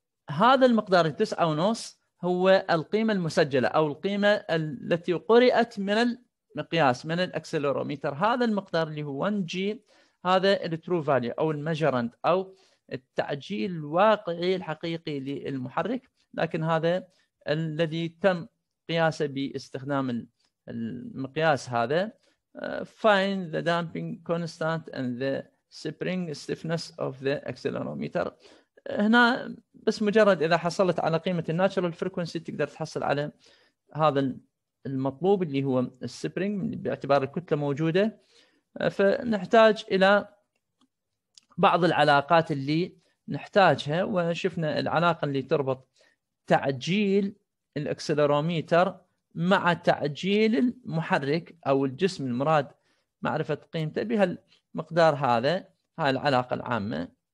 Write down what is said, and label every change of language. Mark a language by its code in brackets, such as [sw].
[ar] هذا المقدار 9.5 هو القيمة المسجلة أو القيمة التي قرأت من المقياس من الأكسلروميتر. هذا المقدار اللي هو 1G هذا الترو فاليو أو المجرند أو التعجيل الواقعي الحقيقي للمحرك، لكن هذا الذي تم قياسه باستخدام المقياس هذا. [en] find the damping constant and the spring stiffness of the accelerometer. [ar] هنا بس مجرد إذا حصلت على قيمة الـ natural frequency تقدر تحصل على هذا المطلوب اللي هو السبرينج باعتبار الكتلة موجودة. فنحتاج إلى بعض العلاقات اللي نحتاجها، وشفنا العلاقة اللي تربط تعجيل الأكسلروميتر مع تعجيل المحرك أو الجسم المراد معرفة قيمته بهالمقدار هذا، هاي العلاقة العامة.